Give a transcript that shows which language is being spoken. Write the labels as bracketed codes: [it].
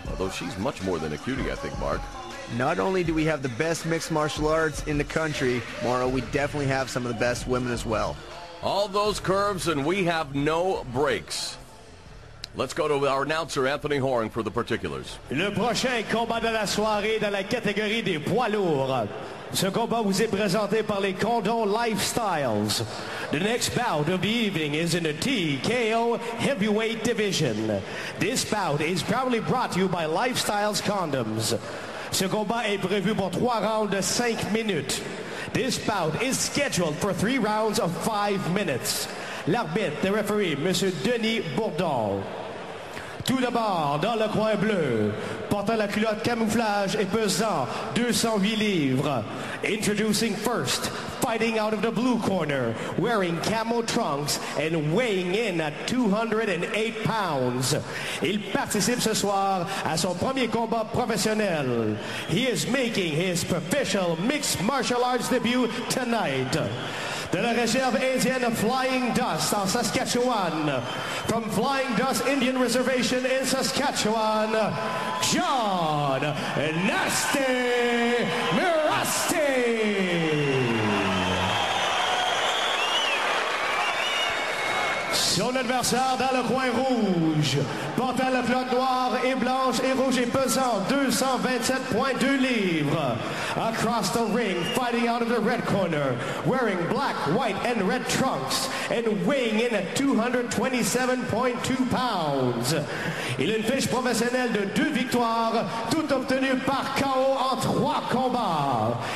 [en] Although she's much more than a cutie, I think, Mark. Not only do we have the best mixed martial arts in the country, Mauro, we definitely have some of the best women as well. All those curves and we have no breaks. Let's go to our announcer, Anthony Horan, for the particulars. [fr] Le prochain combat de la soirée dans la catégorie des poids lourds. Ce combat vous est présenté par les Condon Lifestyles. [en] The next bout of the evening is in the TKO Heavyweight Division. This bout is proudly brought to you by Lifestyles Condoms. [fr] Ce combat est prévu pour 3 rounds de 5 minutes. [en] This bout is scheduled for 3 rounds of 5 minutes. [fr] L'arbitre, le referee, Monsieur Denis Bourdon. Tout d'abord, dans le coin bleu, portant la culotte camouflage et pesant 208 livres. [en] Introducing first, fighting out of the blue corner, wearing camo trunks and weighing in at 208 pounds. [fr] Il participe ce soir à son premier combat professionnel. [en] He is making his professional mixed martial arts debut tonight. [fr] De la réserve indienne Flying Dust en Saskatchewan. [en] From Flying Dust Indian Reservation in Saskatchewan, John Nasty Mirasty. [fr] Son adversaire dans le coin rouge, portant la flotte noire et blanche et rouge et pesant 227.2 livres. [en] Across the ring, fighting out of the red corner, wearing black, white and red trunks and weighing in at 227.2 pounds. [fr] Il a une fiche professionnelle de 2 victoires, tout obtenu par KO en 3 combats.